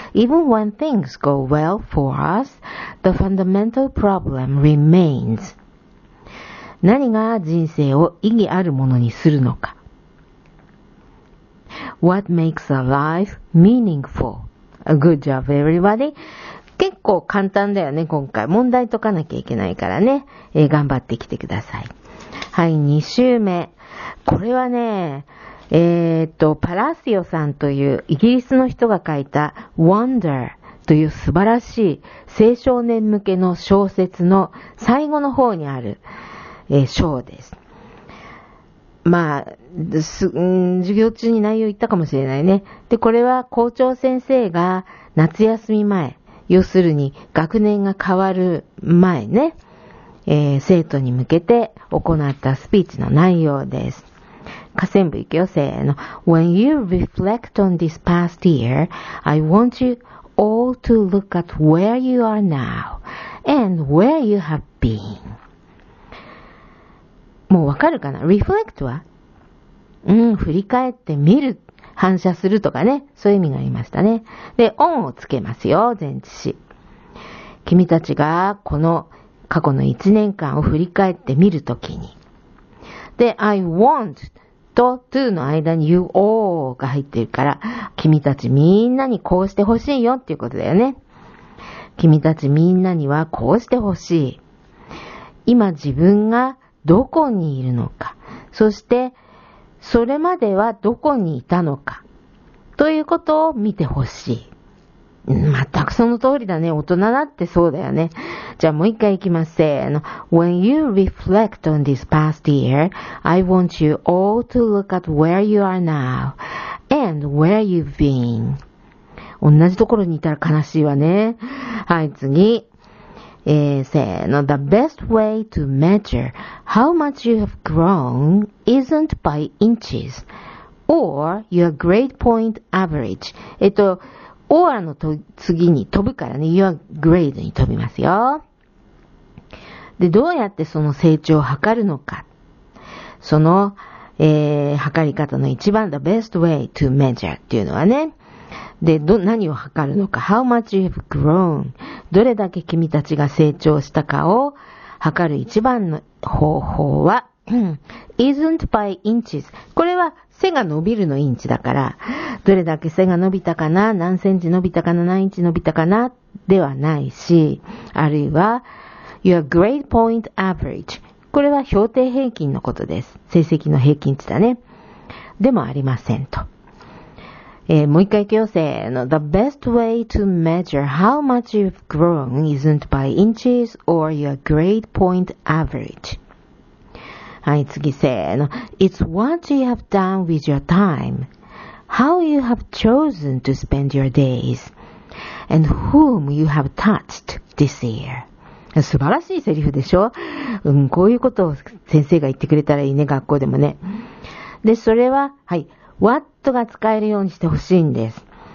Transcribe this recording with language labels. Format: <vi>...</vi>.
<en>Even when things go well for us, the fundamental problem remains.</en> <ja>何が人生を意義あるものにするのか。</ja> <en>What makes a life meaningful? A good job, everybody.</en> <ja>結構簡単だよね、今回。問題解かなきゃいけないからね。頑張ってきてください。はい、2週目。これはね、パラシオさんというイギリスの人が書いた Wonder という素晴らしい青少年向けの小説の最後の方にある、章です。まあ、授業中に内容言ったかもしれないね。で、これは校長先生が夏休み前、要するに学年が変わる前ね、生徒に向けて行ったスピーチの内容です。下線部行くよ、せーの。</ja> <en>When you reflect on this past year, I want you all to look at where you are now and where you have been.</en> <ja>もうわかるかな ?reflect は?振り返ってみる。反射するとかね。そういう意味がありましたね。で、on をつけますよ、前置詞。君たちがこの過去の1年間を振り返ってみるときに。で、I want と to の間に you all が入っているから、君たちみんなにこうしてほしいよっていうことだよね。君たちみんなにはこうしてほしい。今自分がどこにいるのか、そしてそれまではどこにいたのか、ということを見てほしい。全くその通りだね。大人だってそうだよね。じゃあもう一回行きます。せーの。</ja> <en>When you reflect on this past year, I want you all to look at where you are now and where you've been.</en> <ja>同じところにいたら悲しいわね。はい、次。せーの。</ja> <en>The best way to measure how much you have grown isn't by inches or your grade point average.</en> <ja>Or の次に飛ぶからね、</ja> <en>your grade</en> <ja>に飛びますよ。で、どうやってその成長を測るのか。その、測り方の一番、</ja> <en>the best way to measure</en> <ja>っていうのはね、で、何を測るのか。</ja> <en>How much you have grown。</en> <ja>どれだけ君たちが成長したかを測る一番の方法は、</ja> <en>isn't by inches。</en> <ja>これは背が伸びるのインチだから、どれだけ背が伸びたかな、何センチ伸びたかな、何インチ伸びたかな、ではないし、あるいは、</ja> <en>your grade point average。</en> <ja>これは評定平均のことです。成績の平均値だね。でもありませんと。もう一回行くよ、せーの。</ja> <en>The best way to measure how much you've grown isn't by inches or your grade point average。</en> <ja>はい、次、せーの。</ja> <en>It's what you have done with your time, how you have chosen to spend your days, and whom you have touched this year.</en> <ja>素晴らしいセリフでしょ？うん、こういうことを先生が言ってくれたらいいね、学校でもね。で、それは、はい、what が使えるようにしてほしいんです。</ja>